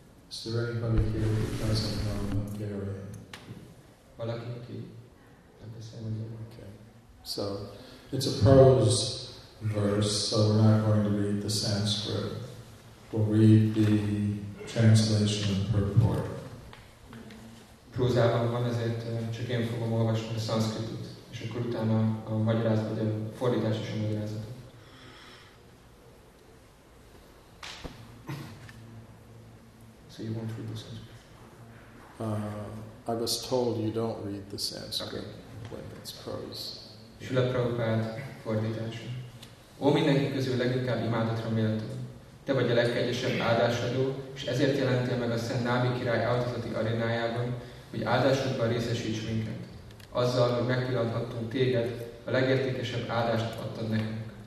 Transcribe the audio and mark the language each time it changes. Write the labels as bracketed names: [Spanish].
[English] Is there anybody here who doesn't know Hungarian? Okay. So it's a prose verse, so we're not going to read the Sanskrit. We'll read the translation of the purport. [Hungarian] Prózában van, ezért csak én fogom olvasni a Sanskritot, és akkor utána a magyarázat, vagy a fordítás is a magyarázat. [English] You won't read the Sanskrit. I was told you don't read the Sanskrit when it's prose. [Hungarian] Srila Prabhupada fordítása. Ó, mindenki közül leginkább imádatra méltó. Te vagy a legkegyesebb áldásadó, és ezért jelentél meg a Szent Nábi király áldozati arénájában, hogy áldásodban részesíts minket. Azzal, hogy megpillanthattunk téged, a legértékesebb áldást adtad nekünk.